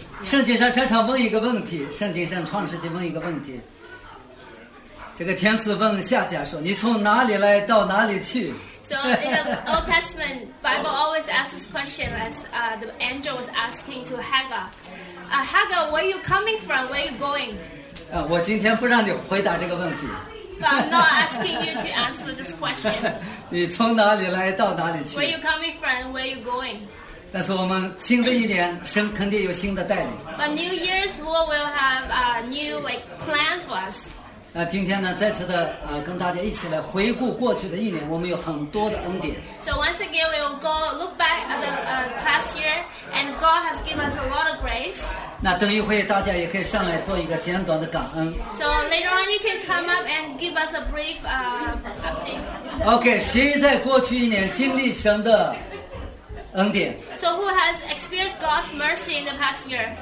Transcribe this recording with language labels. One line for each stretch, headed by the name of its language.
Chinese: 圣经上常常问一个问题，圣经上创世纪问一个问题。这个天使问夏甲说：“你从哪里来到哪里去？”
English: So in the Old Testament, Bible always asks this question as the angel was asking to Hagar. Hagar, where are you coming from? Where are you going?
Chinese: 我今天不让你回答这个问题。
English: But I'm not asking you to answer this question.
Chinese: 你从哪里来到哪里去？
English: Where are you coming from? Where are you going?
Chinese: 但是我们新的一年，神肯定有新的带领。
English: But New Year's Lord will have a new like plan for us.
Chinese: 那今天呢，再次的跟大家一起来回顾过去的一年，我们有很多的恩典。
English: So once again, we will go look back at the past year, and God has given us a lot of grace.
Chinese: 那等一会大家也可以上来做一个简短的感恩。
English: So later on, you can come up and give us a brief update.
Chinese: Okay, 谁在过去一年经历神的恩典？
English: So who has experienced God's mercy in the past year?